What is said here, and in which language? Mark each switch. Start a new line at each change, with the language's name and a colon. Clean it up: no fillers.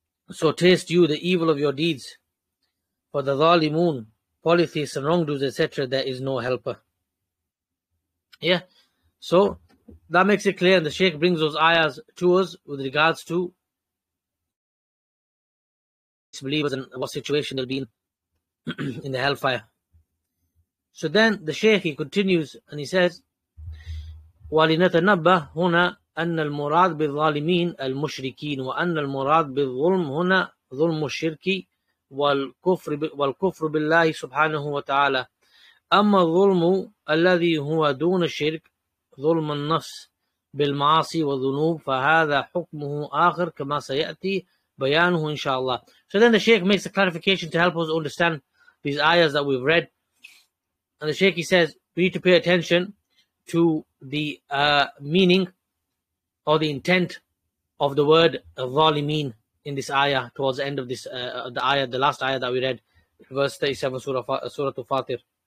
English: So taste you the evil of your deeds. For the zalimun, polytheists and wrongdoers, etc., there is no helper. Yeah, so that makes it clear, and the Shaykh brings those ayahs to us with regards to believers and what situation they'll be in in the hellfire. So then the Shaykh, he continues and he says,
Arabic: وَلِنَتَنَبَّهْ هُنَا أَنَّ الْمُرَادْ بِالظَّالِمِينَ الْمُشْرِكِينَ وَأَنَّ الْمُرَادْ بِالظُّلْمْ هُنَا ظُلْمُ الشِّرْكِ وَالْكُفْرُ بِاللَّهِ سُبْحَانَهُ وَتَعَالَى. أما الظلم الذي هو دون الشرك ظلم النفس بالمعاصي والذنوب فهذا حكمه آخر كما سيأتي بيانه إن شاء الله.
English: So then the Shaykh makes a clarification to help us understand these ayahs that we've read. And the Shaykh, he says, we need to pay attention to the meaning or the intent of the word ظالمين in this ayah, towards the end of this the ayah, the last ayah that we read, verse 37, Surah Al-Fatir.